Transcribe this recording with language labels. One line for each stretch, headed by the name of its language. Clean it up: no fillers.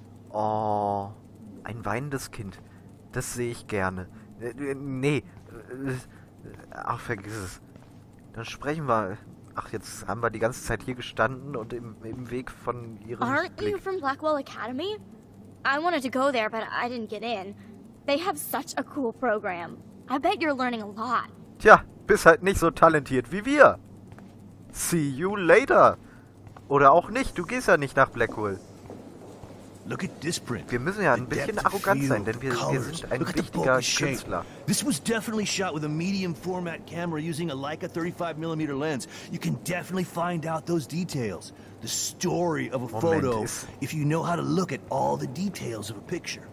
German: Oh. Ein weinendes Kind. Das sehe ich gerne. Nee. Ach, vergiss es. Dann sprechen wir. Ach, jetzt haben wir die ganze Zeit hier gestanden und im Weg von ihrem
English: Blick. Aren't you from Blackwell Academy? I wanted to go there, but I didn't get in. They have such a cool program. I bet you're learning a lot.
German: Tja, bist halt nicht so talentiert wie wir.
English: See you later.
German: Oder auch nicht, du gehst ja nicht nach Blackwell.
English: Look at this print.
German: Wir müssen ja ein bisschen arrogant sein, denn wir sind ein wichtiger Künstler.
English: This was definitely shot with a medium format camera using a Leica 35mm lens. You can definitely find out those details. The story of a photo, if you know how to look at all the details of a picture.